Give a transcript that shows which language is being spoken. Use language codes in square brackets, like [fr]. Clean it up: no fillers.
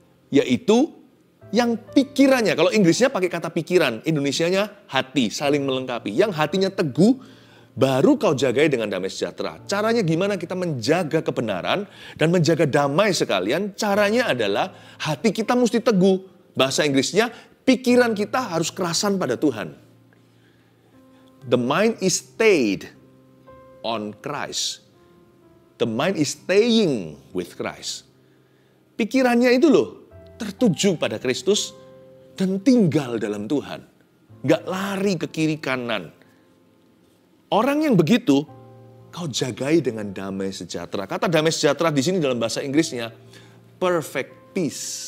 [id] Yaitu, yang pikirannya, kalau Inggrisnya pakai kata pikiran, Indonesianya hati, saling melengkapi. Yang hatinya teguh, baru kau jagai dengan damai sejahtera. Caranya gimana kita menjaga kebenaran dan menjaga damai sekalian? Caranya adalah hati kita mesti teguh. Bahasa Inggrisnya, pikiran kita harus kerasan pada Tuhan. [en] The mind is stayed on Christ. The mind is staying with Christ. [id] Pikirannya itu loh, tertuju pada Kristus dan tinggal dalam Tuhan. Gak lari ke kiri kanan. Orang yang begitu, kau jagai dengan damai sejahtera. Kata damai sejahtera di sini dalam bahasa Inggrisnya, [en] perfect peace.